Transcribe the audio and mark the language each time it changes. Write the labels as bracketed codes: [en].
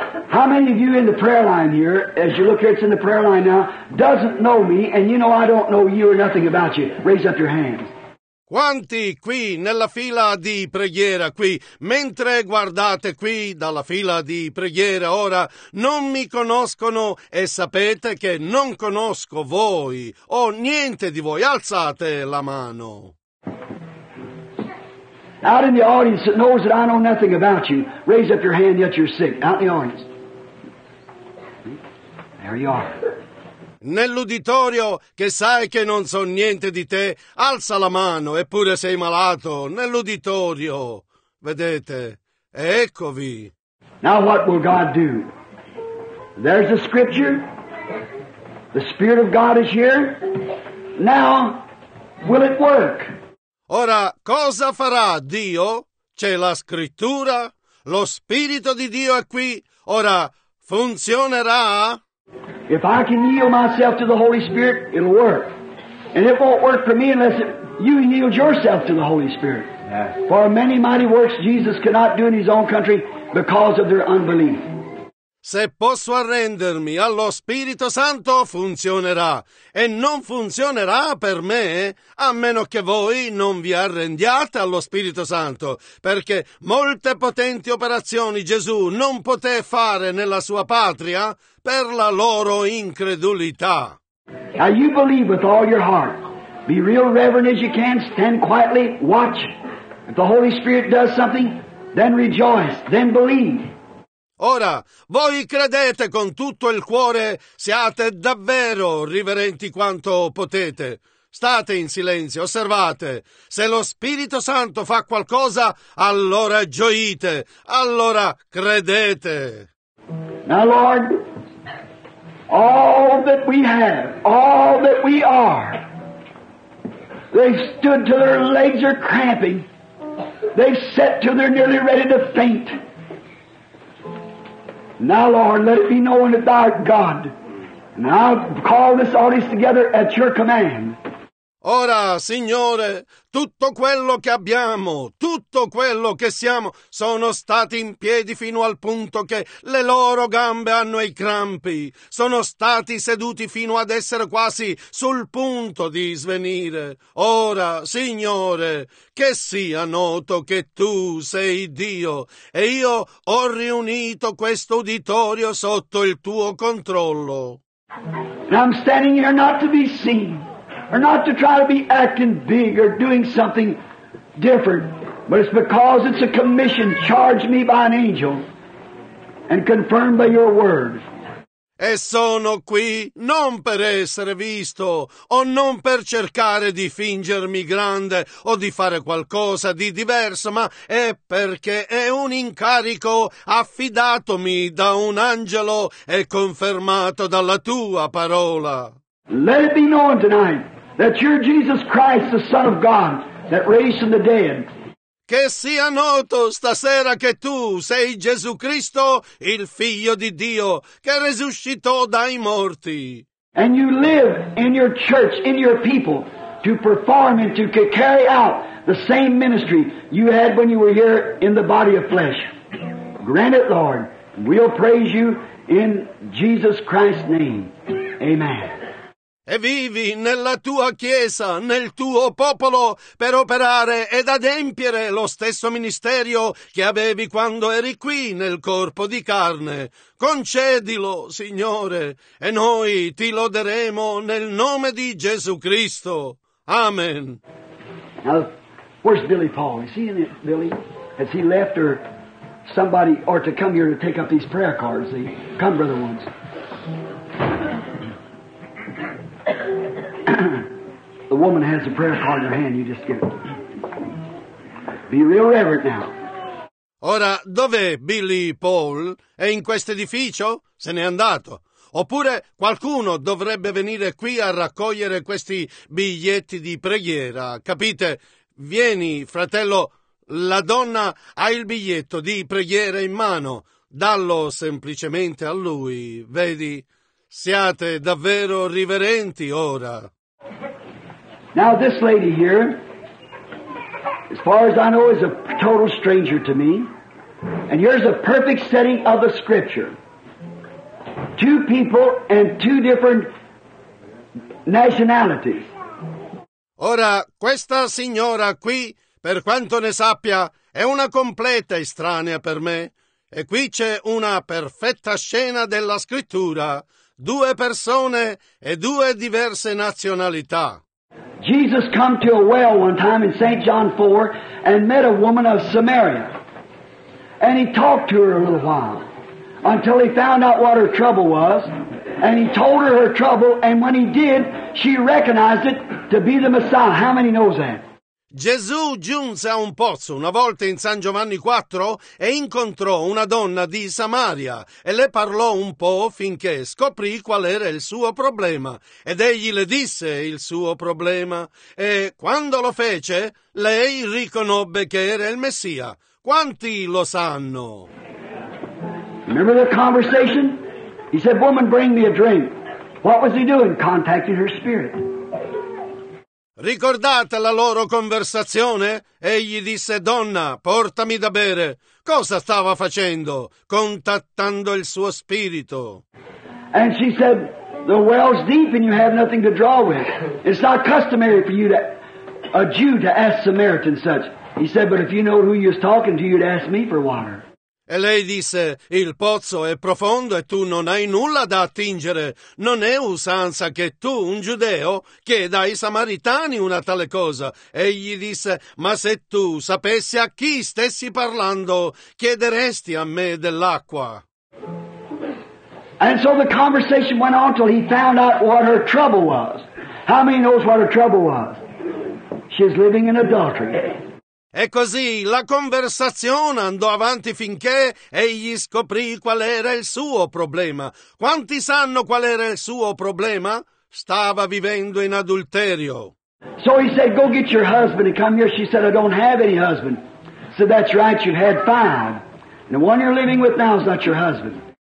[en] How many of you in the prayer line here, as you look here, it's in the prayer line now, doesn't know me, and you know I don't know you or nothing about you? Raise up your hands. [it] Quanti qui nella fila di preghiera qui, mentre guardate qui dalla fila di preghiera ora, non mi conoscono e sapete che non conosco voi o niente di voi? Alzate la mano. [en] Out in the audience that knows that I know nothing about you, raise up your hand yet you're sick. Out in the audience. There you are. [it] Nell'uditorio che sai che non so niente di te, alza la mano, eppure sei malato. Nell'uditorio, vedete, eccovi. [en] Now what will God do? There's the scripture. The Spirit of God is here. Now, will it work? [it] Ora, cosa farà Dio? C'è la scrittura. Lo Spirito di Dio è qui. Ora, funzionerà? [en] If I can yield myself to the Holy Spirit, it'll work. And it won't work for me unless you yield yourself to the Holy Spirit. Yeah. For many mighty works Jesus cannot do in his own country because of their unbelief. [it] Se posso arrendermi allo Spirito Santo, funzionerà. E non funzionerà per me, a meno che voi non vi arrendiate allo Spirito Santo, perché molte potenti operazioni Gesù non poté fare nella sua patria per la loro incredulità. [en] Now you believe with all your heart. Be real reverent as you can, stand quietly, watch. If the Holy Spirit does something, then rejoice, then believe. [it] Ora, voi credete con tutto il cuore, siate davvero riverenti quanto potete. State in silenzio, osservate. Se lo Spirito Santo fa qualcosa, allora gioite, allora credete. [en] Now, Lord, all that we have, all that we are, they've stood till their legs are cramping. They've sat till they're nearly ready to faint. Now, Lord, let it be known that thou art God. Now call this audience together at your command. [it] Ora, Signore, tutto quello che abbiamo, tutto quello che siamo, sono stati in piedi fino al punto che le loro gambe hanno i crampi. Sono stati seduti fino ad essere quasi sul punto di svenire. Ora, Signore, che sia noto che Tu sei Dio e io ho riunito questo uditorio sotto il Tuo controllo. [en] I'm standing here not to be seen. Or not to try to be acting big or doing something different, but it's because it's a commission charged me by an angel and confirmed by your word. [it] E sono qui non per essere visto o non per cercare di fingermi grande o di fare qualcosa di diverso, ma è perché è un incarico affidatomi da un angelo e confermato dalla tua parola. [en] Let it be known tonight that you're Jesus Christ, the Son of God, that raised from the dead. [it] Che sia noto stasera che tu sei Gesù Cristo, il Figlio di Dio, che resuscitò dai morti. [en] And you live in your church, in your people, to perform and to carry out the same ministry you had when you were here in the body of flesh. Grant it, Lord. We'll praise you in Jesus Christ's name. Amen. [it] E vivi nella tua chiesa, nel tuo popolo, per operare ed adempiere lo stesso ministerio che avevi quando eri qui nel corpo di carne. Concedilo, Signore, e noi ti loderemo nel nome di Gesù Cristo. Amen. [en] Now, where's Billy Paul? Is he in it, Billy? Has he left or somebody or to come here to take up these prayer cards? Come, brother ones. The woman has a prayer card in her hand. You just give it. Be real reverent now. [it] Ora, dov'è Billy Paul? È in questo edificio? Se n'è andato. Oppure qualcuno dovrebbe venire qui a raccogliere questi biglietti di preghiera. Capite? Vieni, fratello. La donna ha il biglietto di preghiera in mano. Dallo semplicemente a lui. Vedi? Siate davvero riverenti ora. [en] Now this lady here, as far as I know, is a total stranger to me. And here's a perfect setting of the scripture. Two people and two different nationalities. [it] Ora, questa signora qui, per quanto ne sappia, è una completa estranea per me. E qui c'è una perfetta scena della scrittura. Due persone e due diverse nazionalità. [en] Jesus came to a well one time in St. John 4 and met a woman of Samaria. And he talked to her a little while until he found out what her trouble was. And he told her her trouble, and when he did, she recognized it to be the Messiah. How many knows that? [it] Gesù giunse a un pozzo una volta in San Giovanni 4 e incontrò una donna di Samaria e le parlò un po' finché scoprì qual era il suo problema ed egli le disse il suo problema e quando lo fece lei riconobbe che era il Messia. Quanti lo sanno? [en] Remember the conversation? He said, woman, bring me a drink. What was he doing? Contacting her spirit. [it] Ricordate la loro conversazione? Egli disse, donna, portami da bere. Cosa stava facendo? Contattando il suo spirito. [en] And she said, the well's deep and you have nothing to draw with. It's not customary for you to, a Jew to ask Samaritans such. He said, but if you know who you're talking to, you'd ask me for water. [it] E lei disse, il pozzo è profondo e tu non hai nulla da attingere. Non è usanza che tu, un giudeo, chieda ai samaritani una tale cosa. Egli disse, ma se tu sapessi a chi stessi parlando, chiederesti a me dell'acqua. [en] And so the conversation went on till he found out what her trouble was. How many knows what her trouble was? She's living in adultery. [it] E così la conversazione andò avanti finché egli scoprì qual era il suo problema. Quanti sanno qual era il suo problema? Stava vivendo in adulterio. [en] So he said, go get your husband and come here. She said, I don't have any husband. So that's right, you've had five. And the one you're living with now is not your husband.